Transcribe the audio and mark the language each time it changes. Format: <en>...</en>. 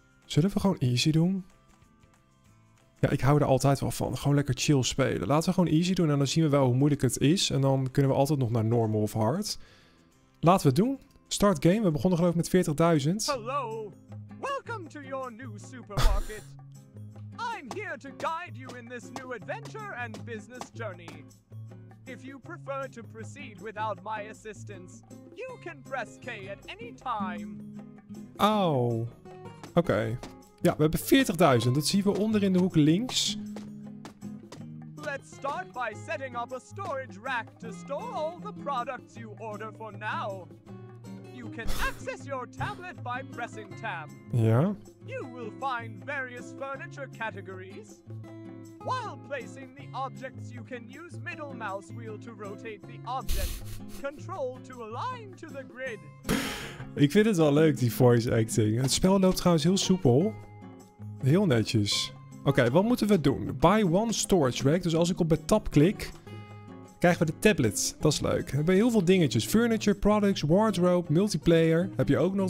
<nl>Zullen we gewoon easy doen? Ja, ik hou er altijd wel van. Gewoon lekker chill spelen. Laten we gewoon easy doen en dan zien we wel hoe moeilijk het is. En dan kunnen we altijd nog naar normal of hard. Laten we het doen. Start game. We begonnen geloof ik met 40.000.</nl> <en>Hallo. Welcome to your new supermarket. I'm here to guide you in this new adventure and business journey. If you prefer to proceed without my assistance, you can press K at any time.</en> <nl>Oh. Oké. Okay. Ja, we hebben 40.000. Dat zien we onder in de hoek links.</nl> <en>Let's start by setting up a storage rack to store all the products you order for now. You can access your tablet by pressing tab. Yeah. You will find various furniture categories. While placing the objects, you can use middle mouse wheel to rotate the object. Control to align to the grid.</en> <nl>Ik vind het wel leuk, die voice acting. Het spel loopt trouwens heel soepel. Heel netjes. Oké, wat moeten we doen?</nl> <en>Buy one storage rack.</en> <nl>Dus als ik op de tab klik... Krijgen we de tablets. Dat is leuk. We hebben heel veel dingetjes. Furniture, products, wardrobe, multiplayer. Heb je ook nog.</nl>